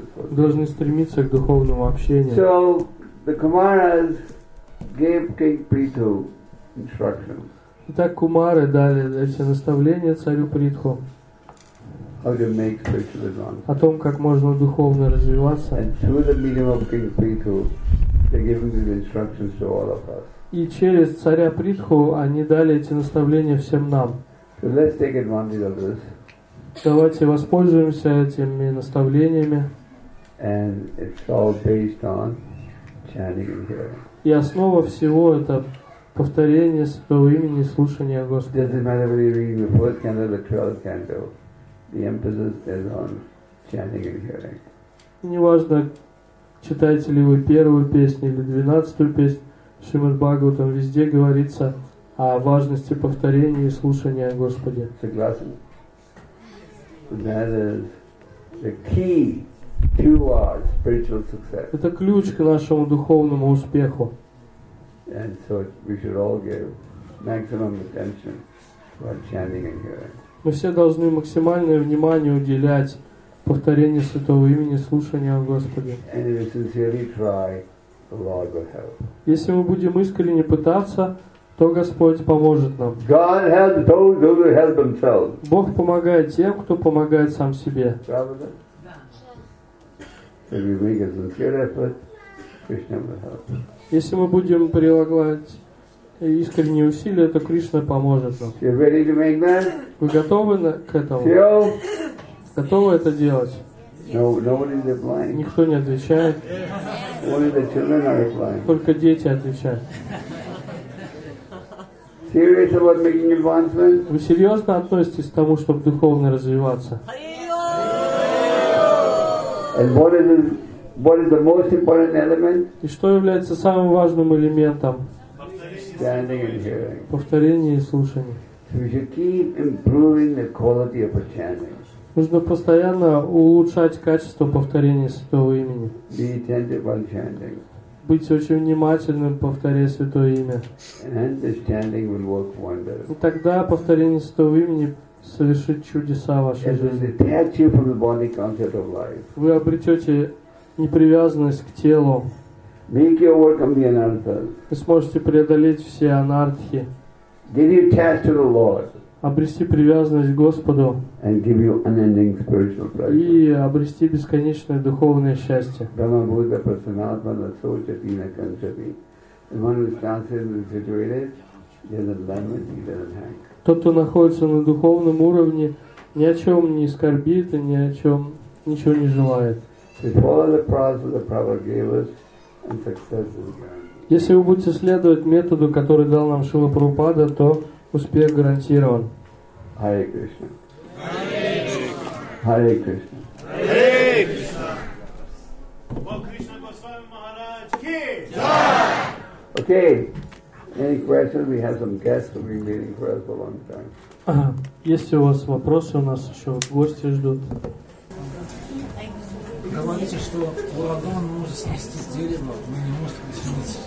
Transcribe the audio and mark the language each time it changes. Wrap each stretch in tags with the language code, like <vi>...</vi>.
<ru>Должны стремиться к духовному общению.</ru> <en>So the Kumaras gave King Prithu instructions.</en> <ru>Итак, Кумары дали эти наставления царю Притху.</ru> <en>How to make spiritual advance.</en> <ru>О том, как можно духовно развиваться.</ru> <en>And through the medium of King Prithu. They're giving these instructions to all of us.</en> <ru>И через царя Притху они дали эти наставления всем нам.</ru> <en>So let's take advantage of this.</en> <ru>Давайте воспользуемся этими наставлениями.</ru> <en>And it's all based on chanting and hearing.</en> <ru>И основа всего это повторение Святого имени, слушание Господа.</ru> <en>Doesn't matter whether you're reading the fourth canto or the twelfth canto. The emphasis is on chanting and hearing.</en> <ru>Неважно. Читаете ли вы первую песню или двенадцатую песню Шримад Бхагаватам, везде говорится о важности повторения и слушания о Господе. Согласен.</ru> <en>That is the key to our spiritual success.</en> <ru>Это ключ к нашему духовному успеху.</ru> <en>And so we should all give maximum attention to our chanting and hearing.</en> <ru>Мы все должны максимальное внимание уделять повторение Святого имени, слушание о Господе.</ru> <en>And if you sincerely try, the Lord will help.</en> <ru>Если мы будем искренне пытаться, то Господь поможет нам.</ru> <en>God helps those who help themselves.</en> <ru>Бог помогает тем, кто помогает сам себе.</ru> <en>Да. If we make a sincere effort, Krishna will help.</en> <ru>Если мы будем прилагать искренние усилия, то Кришна поможет нам.</ru> <en>You ready to make that?</en> <ru>Вы готовы к этому? Сил. Готовы это делать?</ru> <en>No, nobody is replying.</en> <ru>Никто не отвечает.</ru> <en>Only the children are replying.</en> <ru>Только дети отвечают.</ru> <en>Serious about making advancement?</en> <ru>Вы серьезно относитесь к тому, чтобы духовно развиваться?</ru> <en>And what is What is the most important element?</en> <ru>И что является самым важным элементом?</ru> <en>Standing and hearing.</en> <ru>Повторение и слушание.</ru> <en>So we should keep improving the quality of chanting.</en> <ru>Нужно постоянно улучшать качество повторения Святого Имени.</ru> <en>Be attentive while chanting.</en> <ru>Быть очень внимательным, повторяя Святое Имя.</ru> <en>And the chanting will work wonders.</en> <ru>И тогда повторение Святого Имени совершит чудеса в вашей жизни.</ru> <en>It will detach you from the body concept of life.</en> <ru>Вы обретете непривязанность к телу.</ru> <en>Make your work be an anarthas.</en> <ru>Вы сможете преодолеть все анархии.</ru> <en>Get you attached to the Lord.</en> <ru>Обрести привязанность к Господу</ru> <en>and give you unending spiritual pleasure.</en> <ru>И обрести бесконечное духовное счастье.</ru> <sa>Brahma Buddha Prasanatma Naso Chatina Kanchati.</sa> <en>The one who is transcendently situated, he doesn't lament, he doesn't hang.</en> <ru>Тот, кто находится на духовном уровне, ни о чем не скорбит и ничего не желает. Если вы будете следовать методу, который дал нам Шрила Прабхупада, то успех гарантирован.</ru> <sa>Hare Krishna. Hare Hare Krishna. Hare Krishna. Hare Krishna. Hare Krishna.</sa> <en>Okay. Any questions? We have some guests who have been waiting for us for a long time.</en> <ru>Есть у вас вопросы? У нас еще гости ждут. Говорите, что урагон может снести с дерева, но не может починить.</ru>